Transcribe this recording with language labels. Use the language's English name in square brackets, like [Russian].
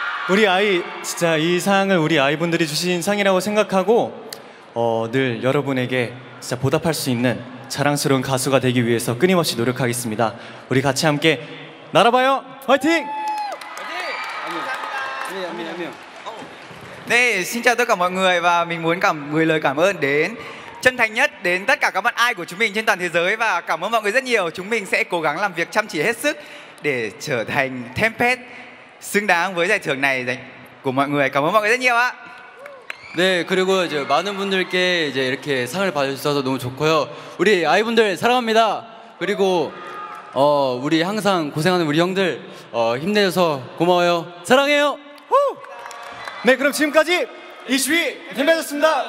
[Korean] 우리 아이, 진짜 이 상을 우리 아이분들이 주신 상이라고 생각하고 늘 여러분에게 진짜 보답할 수 있는 자랑스러운 가수가 되기 위해서 끊임없이 노력하겠습니다. 우리 같이 함께 날아봐요! 화이팅! [Vietnamese] 네, xin chào tất cả mọi người và mình muốn cảm gửi lời cảm ơn đến chân thành nhất đến tất cả các bạn ai của chúng mình trên toàn thế giới và cảm ơn mọi người rất nhiều. Chúng mình sẽ cố gắng làm việc chăm chỉ hết sức để trở thành Tempest xứng đáng với giải thưởng này của mọi người. Cảm ơn mọi người rất nhiều ạ. [Korean] 네, 그리고 이제 많은 분들께 이제 이렇게 상을 받으셔서 너무 좋고요. 우리 아이분들 사랑합니다. 그리고 우리 항상 고생하는 우리 형들 힘내줘서 고마워요. 사랑해요. 네, 그럼 지금까지 이슈이 템베스였습니다.